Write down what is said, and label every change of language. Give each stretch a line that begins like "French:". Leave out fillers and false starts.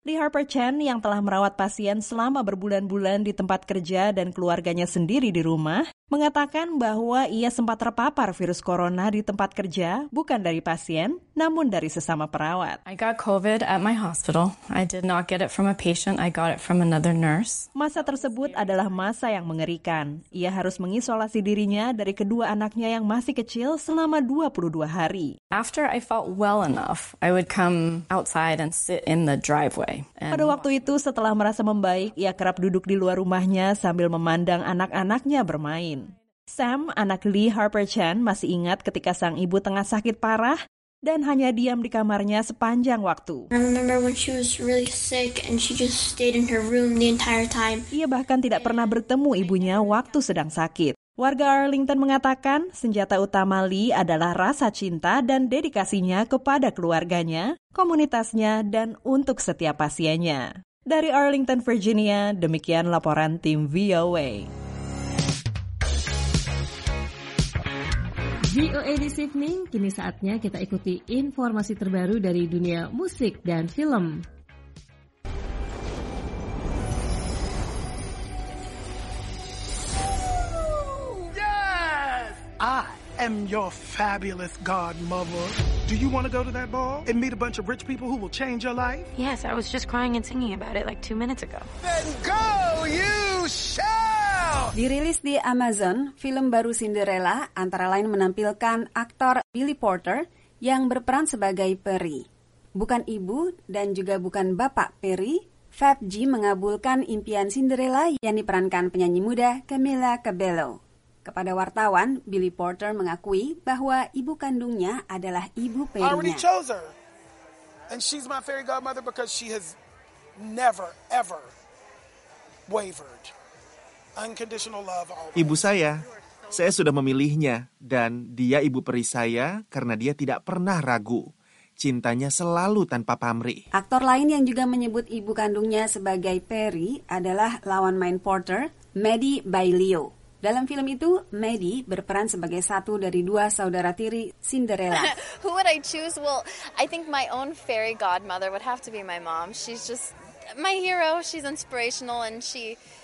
Indonesian: Lee Harper Chan yang telah merawat pasien selama berbulan-bulan di tempat kerja dan keluarganya sendiri di rumah, mengatakan bahwa ia sempat terpapar virus corona di tempat kerja, bukan dari pasien, namun dari sesama perawat.
English: I got COVID at my hospital. I did not get it from a patient, I got it from another nurse.
Indonesian: Masa tersebut adalah masa yang mengerikan. Ia harus mengisolasi dirinya dari kedua anaknya yang masih kecil selama 22 hari.
English: After I felt well enough, I would come outside and sit in the driveway.
Indonesian: Pada waktu itu, setelah merasa membaik, ia kerap duduk di luar rumahnya sambil memandang anak-anaknya bermain. Sam, anak Lee Harper Chan, masih ingat ketika sang ibu tengah sakit parah dan hanya diam di kamarnya sepanjang waktu. I remember when she was really sick and she just stayed in her room the entire time. Ia bahkan tidak pernah bertemu ibunya waktu sedang sakit. Warga Arlington mengatakan senjata utama Lee adalah rasa cinta dan dedikasinya kepada keluarganya, komunitasnya, dan untuk setiap pasiennya. Dari Arlington, Virginia, demikian laporan tim VOA. VOA This Evening, kini saatnya kita ikuti informasi terbaru dari dunia musik dan film.
English: Yes! I am your fabulous godmother. Do you want to go to that ball and meet a bunch of rich people who will change your life? Yes, I was just crying and singing about it like 2 minutes ago. Then go, you shall!
Indonesian: Dirilis di Amazon, film baru Cinderella antara lain menampilkan aktor Billy Porter yang berperan sebagai Perry. Bukan ibu dan juga bukan bapak Perry, Fab G mengabulkan impian Cinderella yang diperankan penyanyi muda Camila Cabello. Kepada wartawan, Billy Porter mengakui bahwa ibu kandungnya adalah ibu perinya.
English: I already chose her. And she's my fairy godmother because she has never, ever wavered. Unconditional love always.
Indonesian: Ibu saya sudah memilihnya dan dia ibu peri saya karena dia tidak pernah ragu. Cintanya selalu tanpa pamrih. Aktor lain yang juga menyebut ibu kandungnya sebagai Perry adalah lawan main Porter, Maddie Baglio. Dalam film itu, Maddie berperan sebagai satu dari dua saudara tiri Cinderella.
English: Who would I choose? Well, I think my own fairy godmother would have to be my mom. She's just my hero. She's inspirational and she